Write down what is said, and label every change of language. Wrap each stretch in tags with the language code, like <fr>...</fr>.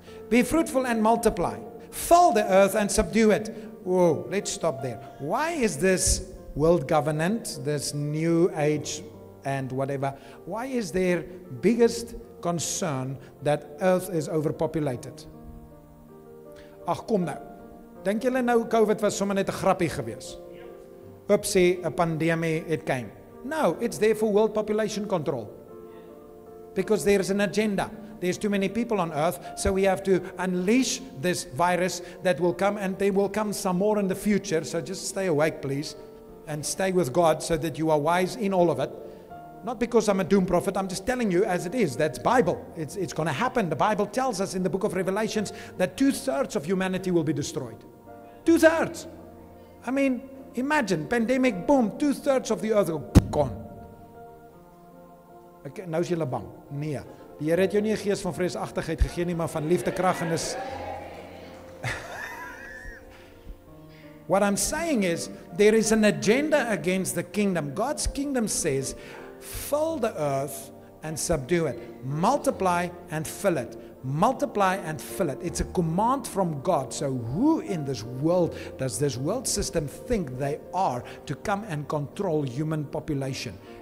<en>Be fruitful and multiply. Fill the earth and subdue it. Whoa, let's stop there. Why is this world government, this new age and whatever, why is their biggest concern that earth is overpopulated?</en> <af>Ach, kom nou. Denk julle nou, COVID was sommer net een grappie geweest?</af> <en>Oopsie, a pandemie, it came. No, it's there for world population control. Because there is an agenda. There's too many people on earth, so we have to unleash this virus that will come, and there will come some more in the future. So just stay awake, please, and stay with God so that you are wise in all of it. Not because I'm a doom prophet, I'm just telling you as it is. That's Bible. It's going to happen. The Bible tells us in the book of Revelations that 2/3 of humanity will be destroyed. 2/3. I mean, imagine, pandemic, boom, 2/3 of the earth gone.</en> <af>Okay, nou is jy bang. Nee. Die Heer het jou nie een geest van vreesachtigheid gegeen nie, maar van liefde, krag en is...</af> <en>What I'm saying is, there is an agenda against the kingdom. God's kingdom says, fill the earth and subdue it. Multiply and fill it. Multiply and fill it. It's a command from God. So who in this world does this world system think they are to come and control human population?</en>